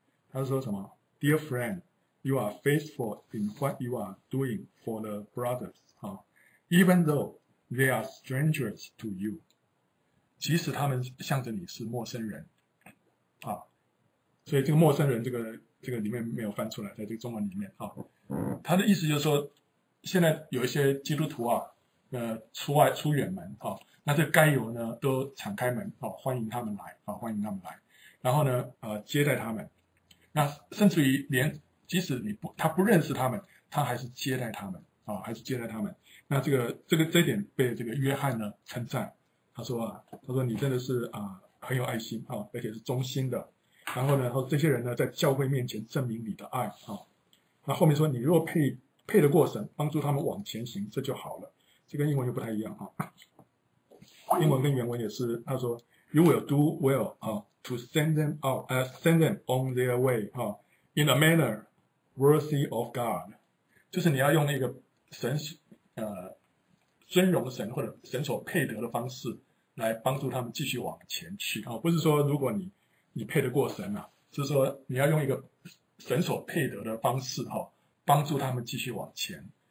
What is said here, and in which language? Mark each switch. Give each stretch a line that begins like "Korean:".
Chinese: 他说什么
English: ？Dear friend, you are faithful in what you are doing for the brothers. Even though they are strangers to you,
Chinese: 即使他们向着你是陌生人，啊，所以这个陌生人这个里面没有翻出来，在这个中文里面啊，他的意思就是说，现在有一些基督徒啊，出远门啊，那这该由呢都敞开门啊，欢迎他们来啊，欢迎他们来，然后呢，接待他们。那甚至于连即使他不认识他们，他还是接待他们啊，还是接待他们。那这个这点被这个约翰呢称赞，他说你真的是很有爱心啊，而且是忠心的。然后呢，说这些人呢在教会面前证明你的爱啊。那后面说你若配得过神，帮助他们往前行，这就好了。这跟英文又不太一样啊。英文跟原文也是，他说
English: You will do well
Chinese: 啊。
English: To send them out, send them on their way, in a manner worthy of God.
Chinese: 就是你要用那个神，尊荣神或者神所配得的方式来帮助他们继续往前去，不是说如果你配得过神啊，是说你要用一个神所配得的方式，帮助他们继续往前。